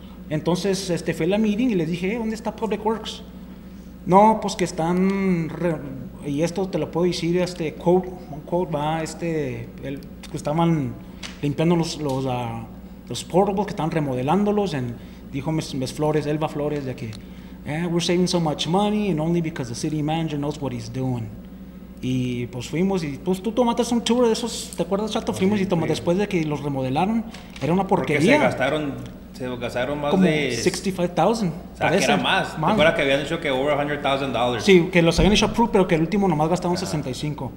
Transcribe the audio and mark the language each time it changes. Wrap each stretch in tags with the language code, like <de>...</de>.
<es>Entonces, fui a la meeting y les dije, ¿dónde está Public Works? No, pues que están, y esto te lo puedo decir, que estaban limpiando los portables, que estaban remodelándolos, y dijo Ms.</es> <en>Flores, Elba Flores,</en> <es>de que,</es> <en>we're saving so much money, and only because the city manager knows what he's doing.</en> <es>Y pues fuimos y pues tú tomaste un tour de esos, ¿te acuerdas, Chato? Fuimos sí, y tomamos, sí. Después de que los remodelaron, era una porquería. Porque se gastaron más como de... $65,000. O sea, que era más. ¿Te acuerdas que habían dicho que over $100,000? Sí, que los habían hecho approved, pero que el último nomás gastaron 65.</es>